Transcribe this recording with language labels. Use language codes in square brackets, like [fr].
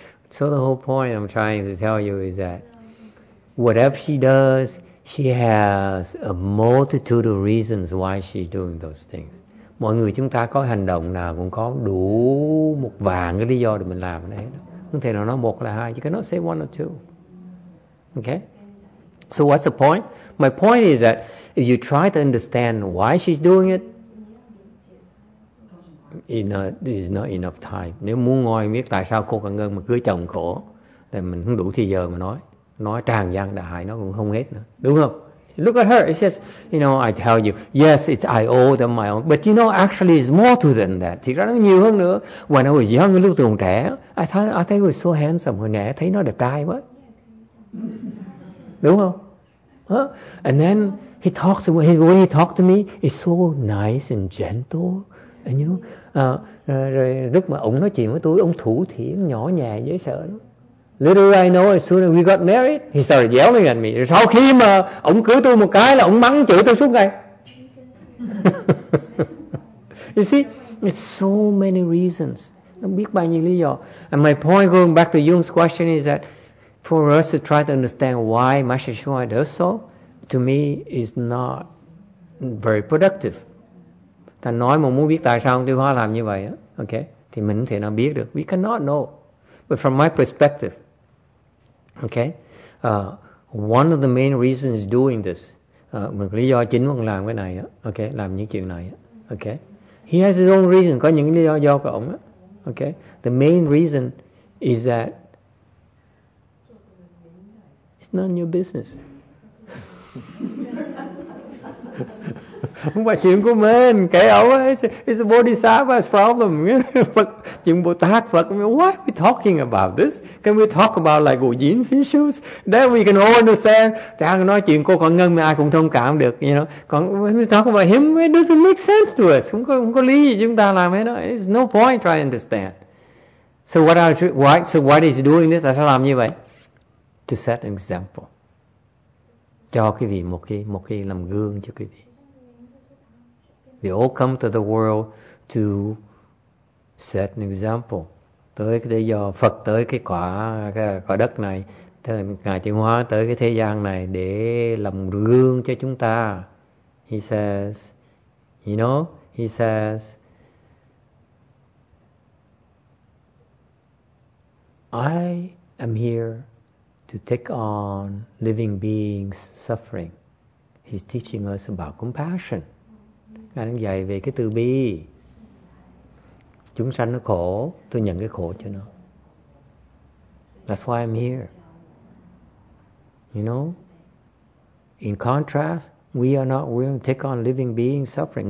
[en] So the whole point I'm trying to tell you is that whatever she does, she has a multitude of reasons why she's doing those things. [vi] Mọi người chúng ta có hành động nào cũng có đủ một vàng cái lý do để mình làm cái đấy. Không thể nào nói một là hai. [en] You cannot say one or two. Okay? So what's the point? My point is that if you try to understand why she's doing it, it's not enough time. [vi] Nếu muốn ngồi biết tại sao cô Cả Ngân mà cưới chồng khổ, thì mình không đủ thời giờ mà nói. Nói tràn gian đã hại nó cũng không hết nữa. Đúng không? [en] Look at her. It's just, you know, I tell you, yes, it's I owe them my own. But you know, actually, it's more to them than that. [vi] Thì ra nó nhiều hơn nữa. [en] When I was young, [vi] lúc tôi còn trẻ, [en] I thought it was so handsome. [vi] Hồi nãy thấy nó đẹp trai quá. Đúng không? Huh? [en] And then he talks to me, when he talked to me, it's so nice and gentle. [vi] And you know, rồi lúc mà ông nói chuyện với tôi, ông thủ thiểm, nhỏ nhẹ, dễ sợ lắm. [en] Little I know, as soon as we got married, he started yelling at me. [vi] Sau khi mà ông cưới tôi một cái là ông mắng chửi tôi suốt ngày. [en] You see, there's so many reasons. [vi] Không biết bao nhiêu lý do. [en] And my point going back to Jung's question is that for us to try to understand why Master Shuai does so, to me, is not very productive. [vi] Ta nói mà muốn biết tại sao ông Tiêu Hóa làm như vậy, okay? Thì mình không thể nào biết được. [en] We cannot know. But from my perspective, okay, one of the main reasons doing this, [vi] một lý do chính ông làm cái này, [en] okay, [vi] làm những chuyện này, [en] okay, he has his own reason, [vi] có những lý do của ông, [en] okay, the main reason is that it's none of your business. [vi] Không phải chuyện của mình, kể ông ấy, [en] it's a bodhisattva's problem. [vi] Phật, chuyện Bồ Tát, Phật, [en] what are we talking about this? Can we talk about like Ujjin's issues? Then we can all understand. [vi] Chẳng nói chuyện cô Khoa Ngân mà ai cũng thông cảm được, you know. [en] Còn when we talk about him, it doesn't make sense to us. [vi] Không có lý gì chúng ta làm hết đó. [en] It's no point trying to understand. So what is doing this? [vi] Tại sao làm như vậy? [en] To set an example. [vi] Cho quý vị một cái làm gương cho quý vị. [en] We all come to the world to set an example. [vi] Tới cái thế do Phật, tới cái quả đất này, tới Ngài Tiêu Hóa, tới cái thế gian này để làm gương cho chúng ta. [en] He says, you know, he says, I am here to take on living beings' suffering. He's teaching us about compassion. [vi] Ngài đang dạy về cái từ bi. Chúng sanh nó khổ, tôi nhận cái khổ cho nó. [en] That's why I'm here. You know? In contrast, we are not willing to take on living beings suffering.